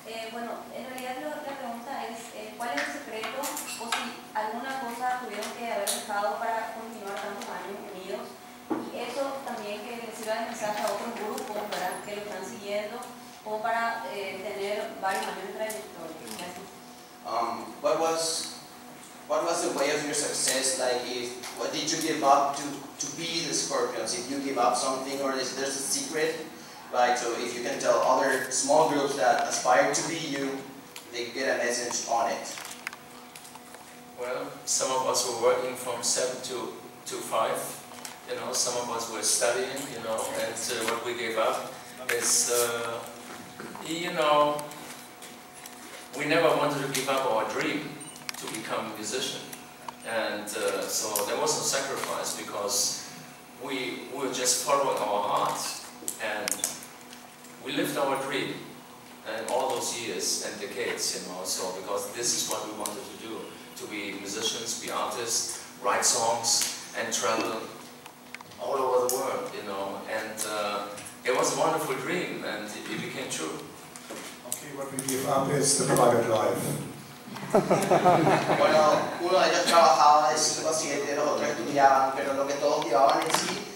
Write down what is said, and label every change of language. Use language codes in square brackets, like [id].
[es] Bueno, en realidad la otra pregunta es, ¿cuál es el secreto o si alguna cosa tuvieron que haber dejado para continuar tantos años unidos? Y eso también que les sirva de mensaje a otros grupos, ¿verdad? Que lo están siguiendo, o para tener varios años de trayectoria. [en] What was the way of your success? Like, if, what did you give up to be the Scorpions? If you give up something, or is there a secret? Right, so if you can tell other small groups that aspire to be you, they get a message on it. Well, some of us were working from 7 to 5, you know, some of us were studying, you know, and what we gave up is, you know, we never wanted to give up our dream to become a musician. And so there was no sacrifice because we were just following our heart and we lived our dream and all those years and decades, you know, so because this is what we wanted to do, to be musicians, be artists, write songs and travel all over the world, you know, and it was a wonderful dream and it became true. Okay, what we give up is the private life. [es] Bueno, uno de ellos trabajaba, es lo siguiente, los otros estudiaban, pero lo que todos llevaban en sí